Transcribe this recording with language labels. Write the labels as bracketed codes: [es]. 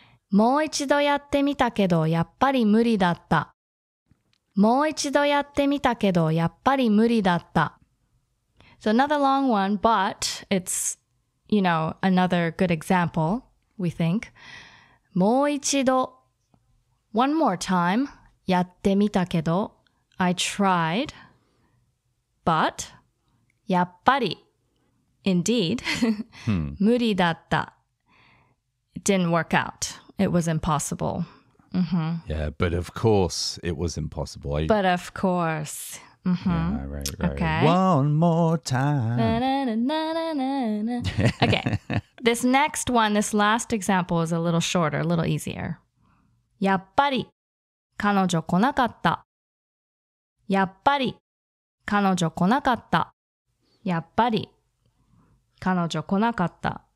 [ja] もう一度やってみたけど、やっぱり無理だった。もう一度やってみたけど、やっぱり無理だった。 [en] So another long one, but it's, you know, another good example, we think. [ja] もう一度。 [en] One more time. [ja] やってみたけど。 [en] I tried. But. [ja] やっぱり。 [en] Indeed. [ja] 無理だった。 [en] It didn't work out. It was impossible. Mm-hmm. Yeah, but of course it was impossible. But of course. Mm-hmm. Yeah, right, right. Okay. One more time. Na, na, na, na, na, na. Okay. This next one, this last example is a little shorter, a little easier. [ja] やっぱり彼女来なかった。やっぱり彼女来なかった。やっぱり彼女来なかった。